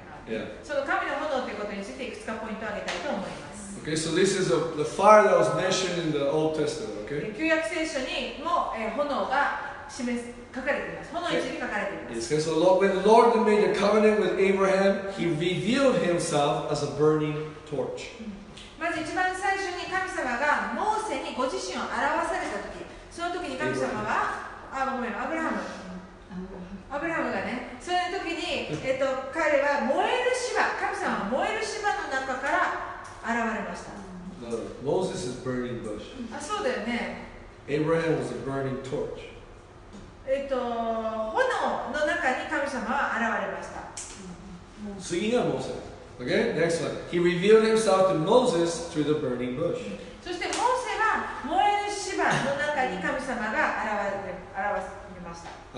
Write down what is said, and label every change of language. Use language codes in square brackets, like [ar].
[en] Yeah. Okay, so this is the fire that was mentioned in the Old Testament, okay? [ja] 旧約聖書にも炎が示す書かれています。炎一に書かれています。 [en] Yes, so when the Lord made a covenant with Abraham, he revealed himself as a burning torch. [ja] まず一番最初に神様がモーセにご自身を表されたとき、そのときに神様は、あ、ごめん、アブラハム。アブラハムがね、その時に、彼は燃える芝、神様は燃える芝の中から現れました。モーセは [en] burning bush。 [ja] あ、そうだよね。アブラハムは [en] burning torch。 [ja] 炎の中に神様は現れました。次がモーセ。 [en] Okay, next one. He revealed himself to Moses through the burning bush. [ja] そしてモーセは燃える芝の中に神様が現れました。